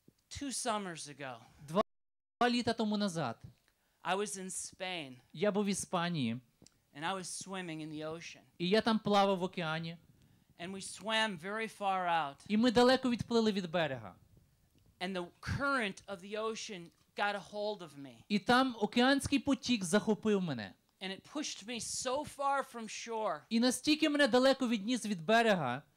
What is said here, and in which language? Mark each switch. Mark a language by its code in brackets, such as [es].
[en] Two summers ago, [uk] два літа тому назад, [en] I was in Spain, [uk] я був в Іспанії, [en] and I was swimming in the ocean. [uk] І я там плавав в океані, [en] and we swam very far out, [uk] і ми далеко відплили від берега. [en] And the current of the ocean got a hold of me. [uk] І там океанський потік захопив мене. [en] And it pushed me so far from shore. [uk] І настільки мене далеко відніс від берега,